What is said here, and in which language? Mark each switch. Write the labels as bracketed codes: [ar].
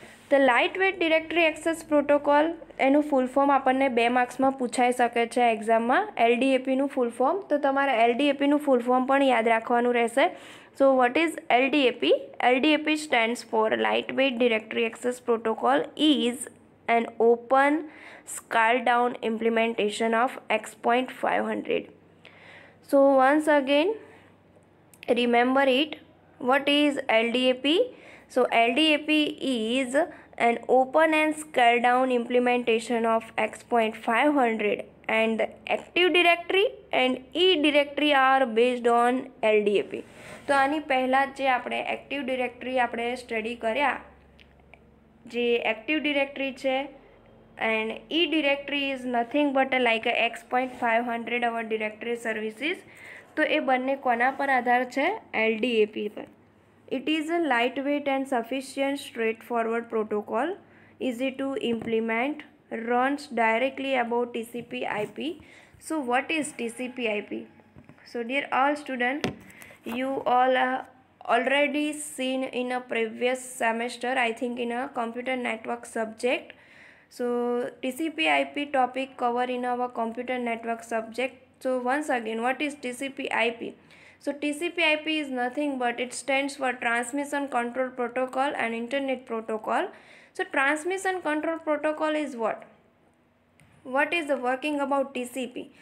[gu] The lightweight directory access protocol, એનું full form આપણને 2 માર્ક્સમાં પૂછાઈ શકે છે એક્ઝામમાં, LDAP-નું ફૂલ ફોર્મ. તો તમારે LDAP-નું ફૂલ ફોર્મ પણ યાદ રાખવાનું રહેશે. [en] So what is LDAP? LDAP stands for lightweight directory access protocol is an open scaled down implementation of X.500. So once again, remember it. What is LDAP? So LDAP is an open and scaled down implementation of X.500, and the active directory and E directory are based on LDAP. [gu] તો આની પહેલા જે આપણે active directory આપણે study કર્યા, જે active directory છે [en] And E directory is nothing but like X.500 our directory services. [gu] તો એ બંને કોના પર આધાર છે? LDAP પર. [en] It is a light weight and sufficient straightforward protocol, easy to implement, runs directly about TCP/IP. So what is TCP/IP? So dear all student, you all already seen in a previous semester, I think in a computer network subject. So TCP/IP topic cover in our computer network subject. So once again, what is TCP/IP? So TCP/IP is nothing but it stands for Transmission Control Protocol and Internet Protocol. So Transmission Control Protocol is what? What is the working about TCP?